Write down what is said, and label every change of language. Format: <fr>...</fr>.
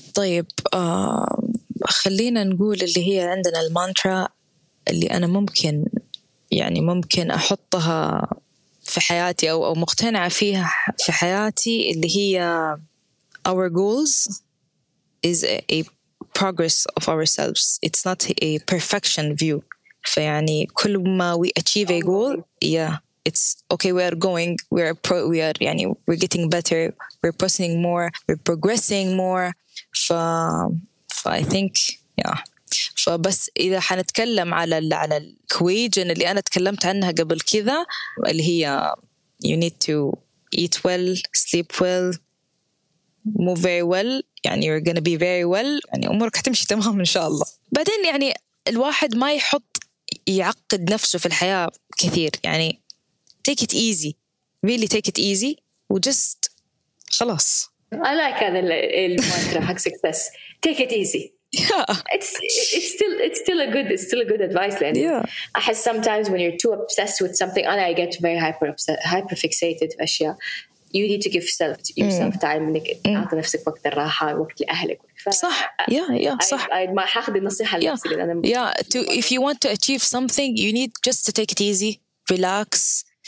<ar>طيب خلينا نقول اللي هي عندنا المانترا اللي أنا ممكن يعني ممكن أحطها في حياتي أو مقتنعة فيها في حياتي اللي هي</ar> <en>our goals is a progress of ourselves. It's not a perfection view.</en> <ar>فيعني كل ما</ar> <en>we achieve a goal, yeah, it's okay, we are going, we're getting better, we're pushing more, we're progressing more. So I think, yeah. So,</en> <ar>بس إذا حنتكلم على الكويجن اللي أنا تكلمت عنها قبل كذا اللي هي</ar> <en>you need to eat well, sleep well, move very well,</en> <ar>يعني</ar> <en>you're gonna be very well,</en> <ar>يعني أمورك هتمشي تمام إن شاء الله. بعدين يعني الواحد ما يحط يعقد نفسه في الحياة كثير.</ar> <en>يعني take it easy, really take it easy, و just</en> <ar>خلاص.</ar> <en>I like</en> <ar>هذا المانترا حق</ar> <en>success. Take it easy. Yeah. It's still a good advice, لأن yeah. I have sometimes when you're too obsessed with something, and I get very hyper fixated أشياء. You need to give yourself time.</en> <ar>إنك تعطي نفسك وقت الراحة وقت لأهلك. صح.</ar> <en>Yeah, yeah.</en> <ar>ما حاخد النصيحة اللي أنا.</ar> <en>Yeah. To if you want to achieve something, you need just to take it easy, relax.</en>